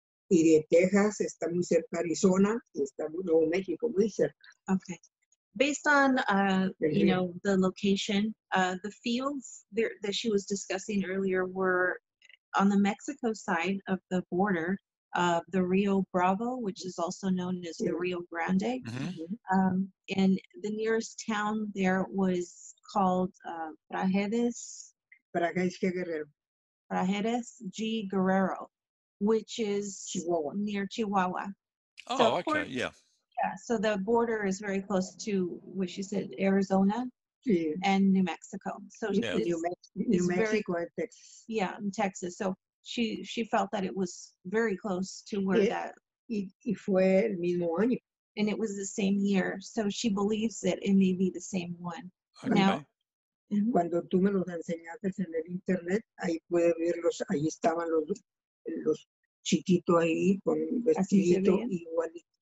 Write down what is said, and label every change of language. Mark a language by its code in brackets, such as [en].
[es] Y de Texas está muy cerca Arizona y está Nuevo México muy cerca. [en] Okay. Based on you know, the location, the fields there that she was discussing earlier were on the Mexico side of the border of the Rio Bravo, which is also known as the Rio Grande. Mm-hmm. And the nearest town there was called Prajedes. Prajedes Guerrero. Prajedes G. Guerrero, which is Chihuahua. Near Chihuahua. Oh, so okay, course, yeah. Yeah, so the border is very close to what she said, Arizona and New Mexico. So New Mexico and Texas. Yeah, in Texas. So she felt that it was very close to where [es] Y fue el mismo año. [en] And it was the same year. So she believes that it may be the same one. Okay. Now, [es] cuando tú me los enseñaste en el internet, ahí puede verlos, ahí estaban los chiquitos ahí con vestidito igualito.